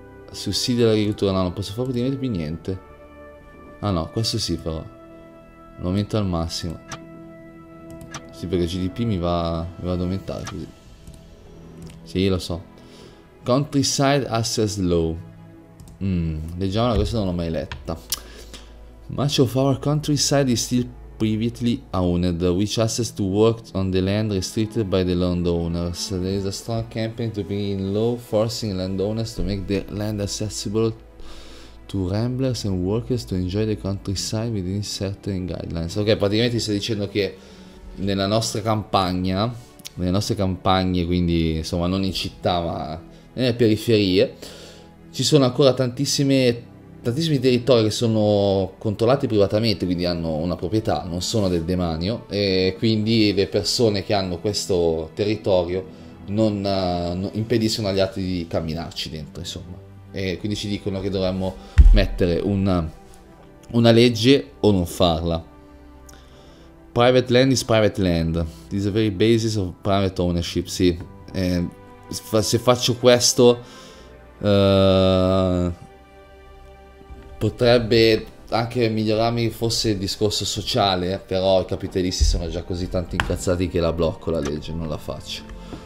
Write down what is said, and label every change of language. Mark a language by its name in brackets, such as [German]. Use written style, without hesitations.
[Italian] Sussidi all'agricoltura. No, non posso fare praticamente più niente. Ah no, questo sì, però l'aumento al massimo. Sì, perché il GDP mi va ad aumentare così. Sì, lo so. Countryside Access Law. Leggiamola, questa non l'ho mai letta. [English] Much of our countryside is still privately owned, which access to work on the land restricted by the landowners. There is a strong campaign to bring in law forcing landowners to make the land accessible to ramblers and workers to enjoy the countryside within certain guidelines. [Italian] Ok, praticamente sta dicendo che nella nostra campagna, nelle nostre campagne, quindi insomma non in città ma nelle periferie, ci sono ancora tantissimi territori che sono controllati privatamente, quindi hanno una proprietà, non sono del demanio, e quindi le persone che hanno questo territorio non impediscono agli altri di camminarci dentro, insomma. E quindi ci dicono che dovremmo mettere una legge o non farla. [English] Private land is private land. This is the very basis of private ownership. [Italian] Sì, se faccio questo, potrebbe anche migliorarmi fosse il discorso sociale, però i capitalisti sono già così tanto incazzati che la blocco la legge, non la faccio.